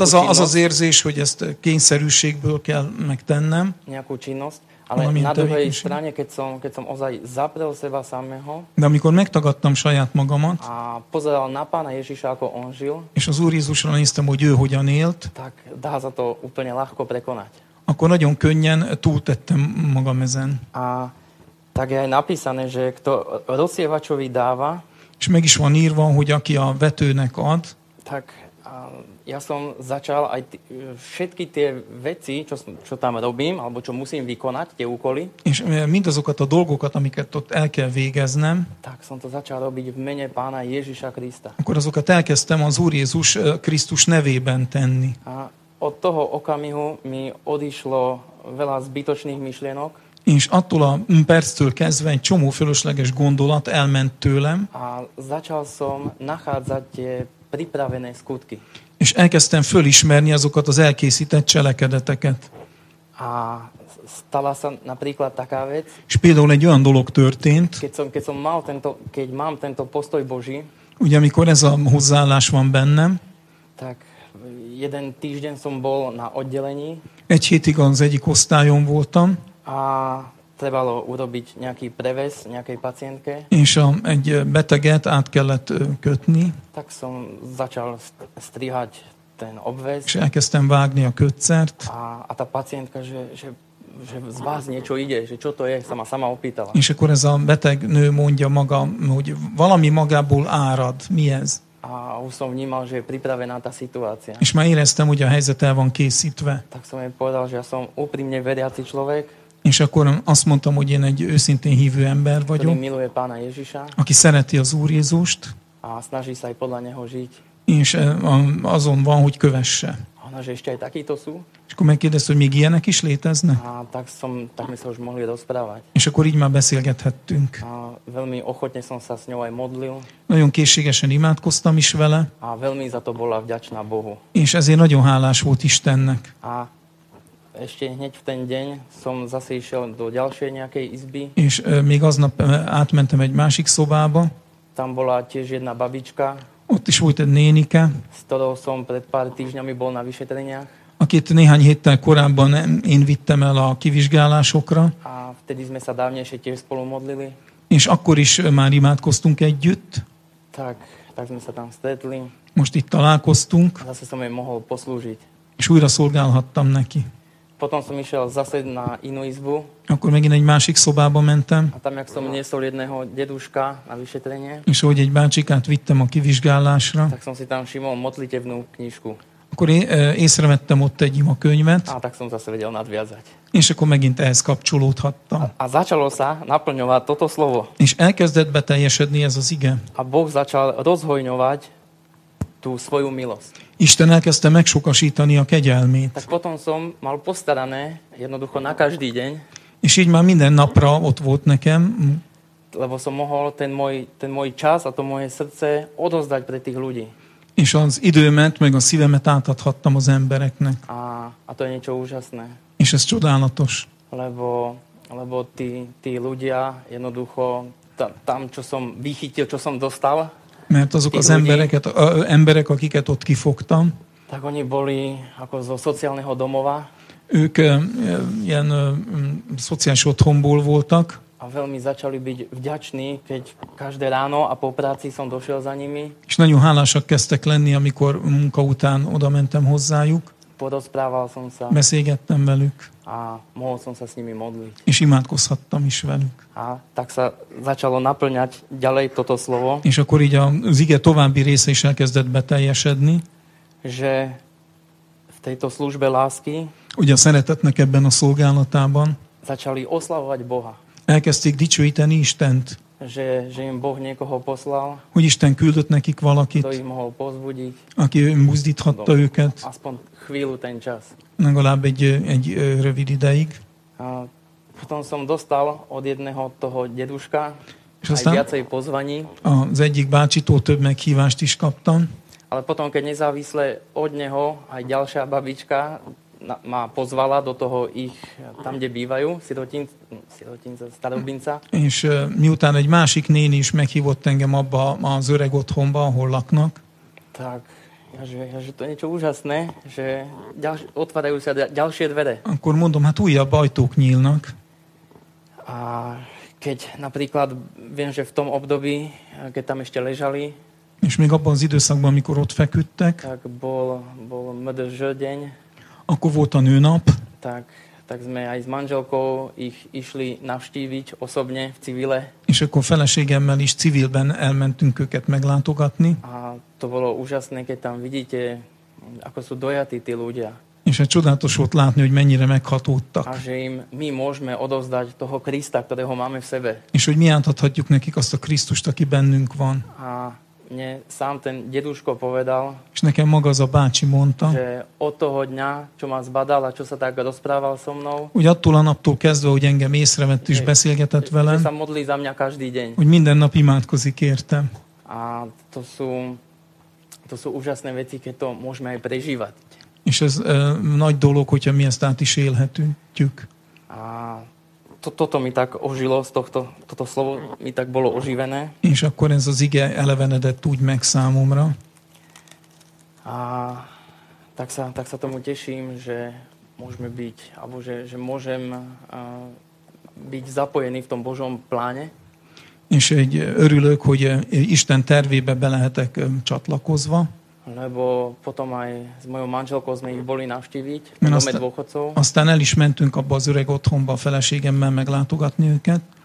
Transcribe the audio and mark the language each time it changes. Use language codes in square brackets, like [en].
[hu] az az érzés, hogy ezt kényszerűségből kell megtennem. [sk] Nejakú činnosť. Ale na druhej strane, keď som ozaj zaprel seba samého, [hu] de amikor megtagadtam saját magamat, [sk] a pozeral na pána Ježiša, ako on žil, [hu] és az Úr Jézusra néztem, hogy ő hogyan élt, [sk] tak dá sa to úplne ľahko prekonať. [hu] Akkor nagyon könnyen túltettem magam ezen. [sk] A tak je aj napísané, že kto rozsievačovi dáva, [hu] és meg is van írva, hogy aki a vetőnek ad, [sk] tak ja som začal aj všetky tie veci, čo tam robím, alebo čo musím vykonať, tie úkoly. [hu] És mindazokat a dolgokat, amiket ott el kell végeznem. [sk] Tak som to začal robiť v mene pána Ježiša Krista. [hu] Akkor azokat elkezdtem az Úr Jézus Krisztus nevében tenni. [sk] A od toho okamihu mi odišlo veľa zbytočných myšlienok. [hu] És attól a perctől kezdve egy csomó fölösleges gondolat elment tőlem. [sk] A začal som nachádzať tie pripravené skutky. [hu] És elkezdtem fölismerni azokat az elkészített cselekedeteket. [sk] A stala sa napríklad taká vec. [hu] És például egy olyan dolog történt. [sk] Keď mám tento postoj Boží. [hu] Ugye amikor ez a hozzáállás van bennem. [sk] Tak jeden týždeň som bol na oddelení. [hu] Egy hétig az egyik osztályon voltam. [sk] A trebalo urobiť nejaký preves nejakej pacientke. [hu] És egy beteget át kellett kötni. [sk] Tak som začal strihať ten obväz. [hu] És elkezdtem vágni a kötszert. [sk] A tá pacientka, že z vás niečo ide, že čo to je, sama opýtala. [hu] És akkor ez a beteg nő mondja maga, hogy valami magából árad, mi ez? [sk] A už som vnímal, že je pripravená tá situácia. [hu] És már éreztem, hogy a helyzet el van készítve. [sk] Tak som jej povedal, že ja som úprimne veriaci človek. [hu] És akkor azt mondtam, hogy én egy őszintén hívő ember vagyok. [sk] Ktorý miluje pána Ježiša. [hu] Aki szereti az Úr Jézust. [sk] A snaží sa aj podľa neho žiť. [hu] És azon van, hogy kövesse. [sk] Ona, že ešte aj takýto sú. [hu] És akkor megkérdezte, hogy még ilyenek is léteznek. [sk] A tak som, tak mi sa už mohli rozprávať. [hu] És akkor így már beszélgethettünk. [sk] A veľmi ochotne som sa s ňou aj modlil. [hu] Nagyon készségesen imádkoztam is vele. [sk] A veľmi za to bola vďačná Bohu. [hu] És ezért nagyon hálás volt Istennek. [sk] A ešte hneď v ten deň som zase išiel do ďalšej nejakej izby. [hu] És még aznap átmentem egy másik szobába. [sk] Tam bola tiež jedna babička. [hu] Ott is volt egy nénike. [sk] S ktorou som pred pár týždňami bol na vyšetreniach. [hu] Akit néhány héttel korábban én vittem el a kivizsgálásokra. [sk] A vtedy sme sa dávnejšie tiež spolu modlili. [hu] És akkor is már imádkoztunk együtt. [sk] Tak sme sa tam stretli. [hu] Most itt találkoztunk. [sk] A zase som jej mohol poslúžiť. [hu] És újra szolgálhattam neki. [sk] Potom som išiel zase na inú izbu. [hu] Akkor megint egy másik szobába mentem. [sk] A tam, jak som niesol jedného deduška na vyšetrenie. [hu] És ahogy egy bácsikát vittem a kivizsgálásra. [sk] Tak som si tam všimol modlitevnú knižku. [hu] Akkor észrevettem ott egy ima könyvet. [sk] A tak som zase vedel nadviazať. [hu] És akkor megint ehhez kapcsolódhattam. [sk] A začalo sa naplňovať toto slovo. [hu] És elkezdett beteljesedni ez az ige. [sk] A Boh začal rozhojňovať tú svoju milosť. [hu] Isten elkezdte megsokasítani a kegyelmét. [sk] Tak potom som mal postarané jednoducho na každý deň. [hu] És így már minden napra ott volt nekem. [sk] Lebo som mohol ten môj čas a to moje srdce odozdať pre tých ľudí. [hu] És az időmet, meg a szívemet átadhattam az embereknek. [sk] A to je niečo úžasné. [hu] És ez csodálatos. [sk] Lebo tí ľudia jednoducho tam, čo som vychytil, čo som dostal. [hu] Mert azok az embereket, emberek, akiket ott kifogtam. [sk] Tak oni boli ako zo sociálneho domova. [hu] Ők ilyen szociális otthonból voltak. [sk] A veľmi začali byť vďační, keď každé ráno a po práci som došiel za nimi. [hu] És nagyon hálásak kezdtek lenni, amikor munka után oda mentem hozzájuk. [sk] Porozprával som sa. [hu] Beszélgettem velük. [sk] A mohol som sa s nimi modliť. [hu] És imádkozhattam is velük. [sk] A tak sa začalo naplňať ďalej toto slovo. [hu] És akkor így az ige további része is elkezdett beteljesedni. [sk] Že v tejto službe lásky. [hu] Ugye a szeretetnek ebben a szolgálatában. [sk] Začali oslavovať Boha. [hu] Elkezdték dicsőíteni Istent. [sk] Že im Boh niekoho poslal. [hu] Hogy Isten küldött nekik valakit. [sk] Kto ich mohol pozbudiť. [hu] Aki buzdíthatta őket. [sk] Aspoň chvíľu ten čas. [hu] Legalább egy rövid ideig. [sk] A potom som dostal od jedného toho deduška aj viacej pozvaní. [hu] Az egyik bácsitól több meghívást is kaptam. [sk] Ale potom, keď nezávisle od neho aj ďalšia babička ma pozvala do toho ich tam, kde bývajú, sirotinca, starobinca. [hu] És miután egy másik néni is meghívott engem abba az öreg otthonba, ahol laknak. [sk] Tak, ja, že to je niečo úžasné, že otvárajú sa ďalšie dvere. [hu] Akkor mondom, hát újabb ajtók nyílnak. [sk] A keď napríklad viem, že v tom období, keď tam ešte ležali. [hu] És még abban az időszakban, amikor ott feküdtek. [sk] Tak bol mdž deň. [hu] Akkor volt a nőnap. [sk] Tak sme aj s manželkou ich išli navštíviť osobne v civile. [hu] És akkor feleségemmel is civilben elmentünk őket meglátogatni. [sk] A to bolo úžasné, keď tam vidíte, ako sú dojatí tí ľudia. [hu] És hát csodálatos volt látni, hogy mennyire meghatódtak. [sk] A že im my môžeme odovzdať toho Krista, ktorého máme v sebe. [hu] És hogy mi átadhatjuk nekik azt a Krisztust, aki bennünk van. [sk] A mne sám ten deduško povedal, [hu] és nekem maga az a bácsi mondta, [sk] že od toho dňa, čo ma zbadal a čo sa tak rozprával so mnou, [hu] hogy attól a naptól kezdve, hogy engem észrevett és beszélgetett velem, [sk] že sa modlí za mňa každý deň, [hu] hogy minden nap imádkozik értem. [sk] A to sú úžasné veci, keď to môžeme aj prežívať. [hu] És ez nagy dolog, hogyha mi ezt át is élhetünk. [sk] A toto mi tak ožilo, z tohto, toto slovo mi tak bolo oživené. [hu] És akkor ez az ige elevenedett úgy meg számomra. [sk] A tak sa tomu teším, že môžeme byť, alebo že môžem byť zapojený v tom Božom pláne. [hu] És egy örülök, hogy Isten tervébe be lehetek csatlakozva. [sk] Lebo potom aj s mojou manželkou sme ich boli navštíviť v dome dôchodcov. [hu] Aztán el is mentünk abba az öreg otthonba a feleségemmel meglátogatni őket.